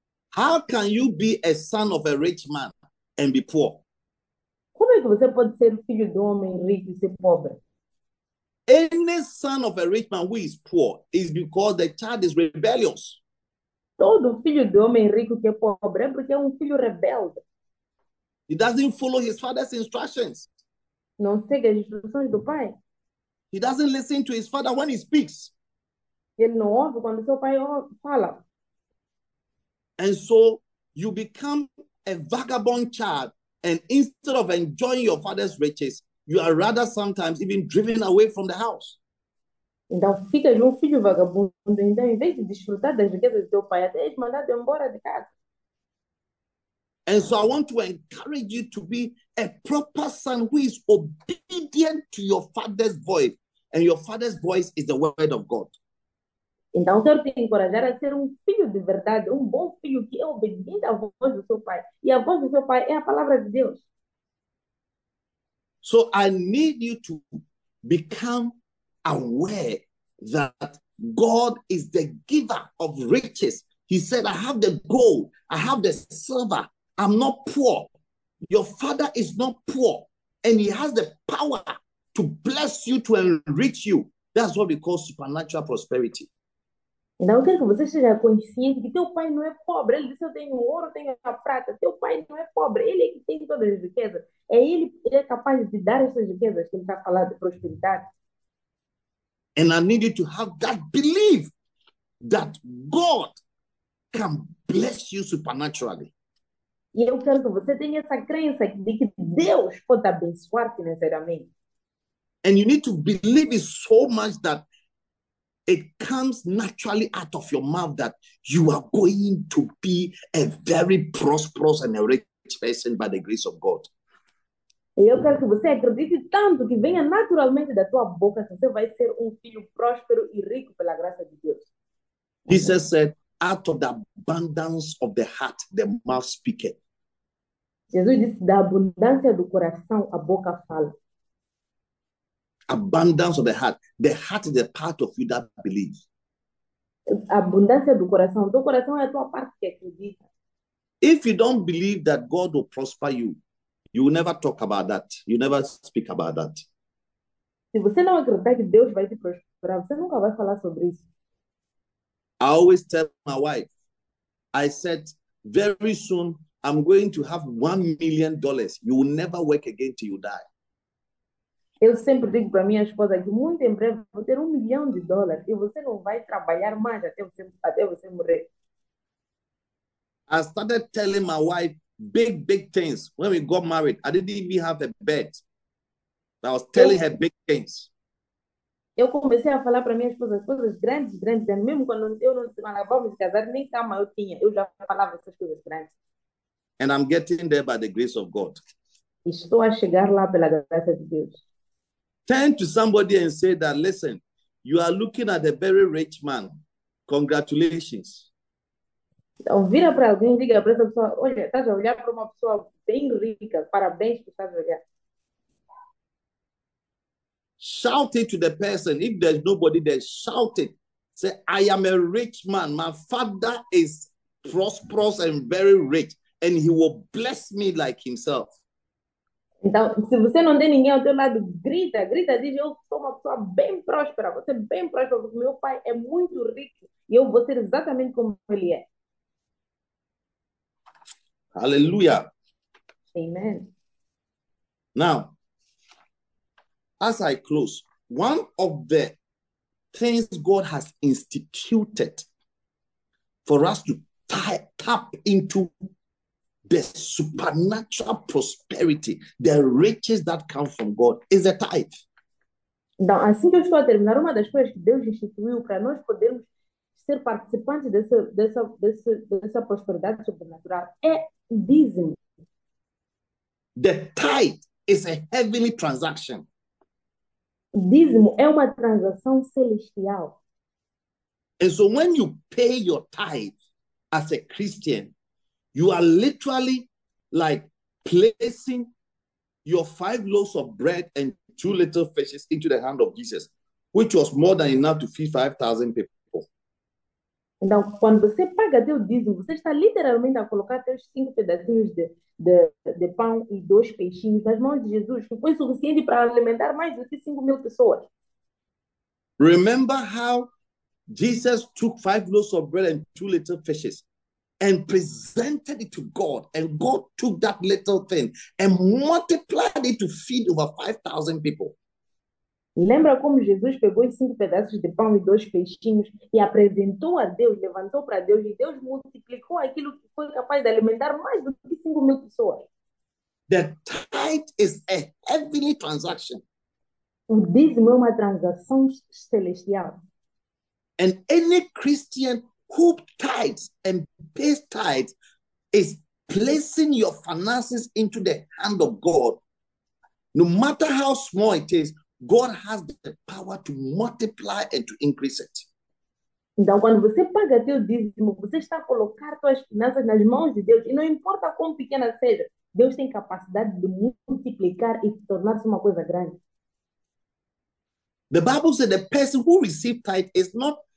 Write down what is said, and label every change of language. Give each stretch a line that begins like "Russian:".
English: How can you be a son of a rich man and be poor?
Portuguese: Como é que você pode ser filho de um homem rico e ser pobre?
English: Any son of a rich man who is poor is because the child is rebellious.
Portuguese: Todo filho de homem rico que é pobre é porque é um filho rebelde.
English: He doesn't follow his father's instructions.
Portuguese: Não segue as instruções do pai.
English: He doesn't listen to his father when he speaks.
Portuguese: Ele não ouve quando seu pai fala.
English: And so you become a vagabond child, and instead of enjoying your father's riches, you are rather sometimes even driven away from the house.
Portuguese: Então, ficas um filho vagabundo. Então, em vez de desfrutar das riquezas do teu pai, até és mandado embora de casa.
English: And so I want to encourage you to be a proper son who is obedient to your father's voice, and your father's voice is the word of God.
Portuguese: Então, quero te encorajar a ser um filho de verdade, um bom filho que é obediente à voz do seu pai. E a voz do seu pai é a palavra de Deus.
English: So I need you to become aware that God is the giver of riches. He said, I have the gold, I have the silver, I'm not poor. Your father is not poor, and he has the power to bless you, to enrich you. That's what we call supernatural prosperity.
Portuguese: Então, eu quero que você seja consciente que teu pai não é pobre. Ele disse: eu tenho ouro, tenho a prata. Teu pai não é pobre. Ele é que tem todas as riquezas. Ele é capaz de dar essas riquezas que ele está falando de prosperidade.
English: And I need you to have that belief that God can bless you supernaturally.
Portuguese: E eu quero que você tenha essa crença de que Deus pode abençoar financeiramente.
English: And you need to believe it so much that it comes naturally out of your mouth that you are going to be a very prosperous and a rich person by the grace of God.
Portuguese: Eu quero que você acredite tanto que venha naturalmente da tua boca que você vai ser um filho próspero e rico pela graça de Deus.
English: Jesus said, out of the abundance of the heart, the mouth speaketh.
Portuguese: Jesus disse: da abundância do coração, a boca fala.
English: Abundance of the heart. The heart is the part of you that believes.
Portuguese: A abundância do coração é a tua parte que acredita.
English: If you don't believe that God will prosper you, you will never talk about that. You never speak about that.
Portuguese: Se você não acreditar que Deus vai te prosperar, você nunca vai falar sobre isso.
English: I always tell my wife, I said, very soon I'm going to have $1 million. You will never work again till you die.
Portuguese: Eu sempre digo para minha esposa que muito em breve vou ter US$ 1 milhão e você não vai trabalhar mais até você morrer.
English: I started telling my wife big things when we got married. I didn't even have a bed. I was telling her big things.
Portuguese: Eu comecei a falar para minha esposa coisas grandes, grandes, grandes. Mesmo quando eu não tinha nada, vamos casar, nem cama eu tinha. Eu já falava essas coisas grandes.
English: And I'm getting there by the grace of God.
Portuguese: Estou a chegar lá pela graça de Deus.
English: Turn to somebody and say that, listen, you are looking at a very rich man. Congratulations.
Portuguese: Então, vira para alguém, diga para essa pessoa: olha, estás a olhar para uma pessoa bem rica. Parabéns, tu estás a olhar.
English: Shout it to the person. If there's nobody there, shout it. Say, I am a rich man. My father is prosperous and very rich. And he will bless me like himself.
Portuguese: Então, se você não tem ninguém ao teu lado, grita, grita, diz: eu sou uma pessoa bem próspera, você é bem próspera, porque meu pai é muito rico e eu vou ser exatamente como ele é.
English: Hallelujah.
Portuguese: Amém.
English: Now, as I close, one of the things God has instituted for us to tap into. The supernatural prosperity, the riches that come from God, is a tithe.
Portuguese: Então, assim que eu estou a terminar, uma das coisas que Deus instituiu para nós podermos ser participantes dessa prosperidade sobrenatural é dízimo.
English: The tithe is a heavenly transaction.
Portuguese: Dízimo é uma transação celestial.
English: And so when you pay your tithe as a Christian, you are literally like placing your 5 loaves of bread and 2 little fishes into the hand of Jesus, which was more than enough to feed 5,000 people.
Portuguese: Então, quando você paga teu dízimo, você está literalmente a colocar teus 5 pedacinhos de pão e 2 peixinhos nas mãos de Jesus, que foi suficiente para alimentar mais do que 5 mil pessoas.
English: Remember how Jesus took 5 loaves of bread and 2 little fishes? And presented it to God, and God took that little thing and multiplied it to feed over 5,000 people.
Portuguese: Lembra como Jesus pegou os 5 pedaços de pão e 2 peixinhos e apresentou a Deus, levantou para Deus e Deus multiplicou aquilo que foi capaz de alimentar mais do que 5 mil pessoas.
English: The tithe is a heavenly transaction.
Portuguese: O dízimo é uma transação celestial.
English: And any Christian who tithes and pays tithes is placing your finances into the hand of God. No matter how small it is, God has the power to multiply and to increase it.
Portuguese: Então, quando você paga teu dízimo, você está a colocar suas finanças nas mãos de Deus. E não importa quão pequena seja, Deus tem capacidade de multiplicar e tornar-se uma coisa grande.
English: The Bible says the person who receives tithe is not